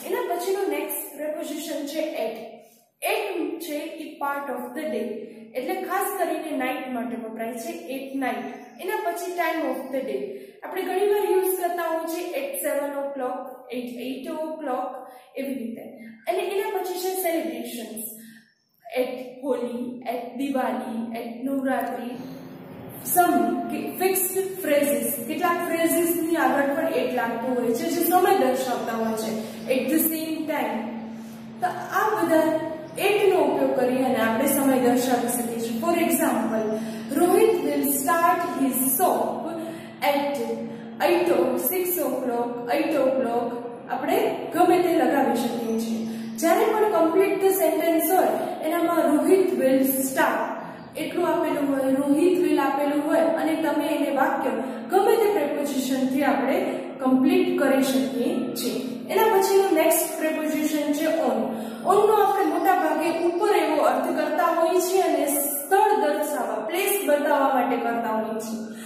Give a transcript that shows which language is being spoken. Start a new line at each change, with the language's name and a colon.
Gujarati: એના પછીનો next preposition છે એટ. એટ છે એ પાર્ટ ઓફ ધ ડે, એટલે ખાસ કરીને નાઇટ માટે વપરાય છે એટ નાઇટ. એના પછી ટાઈમ ઓફ ધ ડે, આપણે ઘણી વાર યુઝ કરતા હોય છે એટ 7 o'clock, એટ 8 o'clock એવી રીતે. અને એના પછી છે celebrations, at Holi,
English: at Diwali, at Navratri, some fixed phrases.
Gujarati: કેટલા phrases ની આગળ પર એક લાગતો હોય છે જે સમય દર્શાવતા હોય છે
English: at the same time.
Gujarati: તો આ બધા એકનો ઉપયોગ કરીને આપણે સમય દર્શાવી શકીએ છીએ.
English: For example, Rohit will start his soap at 8 o'clock, 6 o'clock, 8 o'clock.
Gujarati: આપણે ગમે તે લગાવી શકીએ છીએ. જ્યારે પણ કમ્પ્લીટ ધ સેન્ટેન્સ હોય એનામાં
English: Rohit will start
Gujarati: એટલું આપેલું હોય, રોહિત વિલ આપેલું હોય અને તમે એને વાક્ય ગમે તે પ્રેપોઝિશનથી આપણે કમ્પ્લીટ કરી શકીએ છીએ. એના પછીનું નેક્સ્ટ પ્રેપોઝિશન છે ઓન. ઓનનો આપણે મોટા ભાગે ઉપર એવો અર્થ કરતા હોઈએ છીએ અને સ્થળ દર્શાવવા, પ્લેસ બતાવવા માટે કરતા હોઈએ છીએ.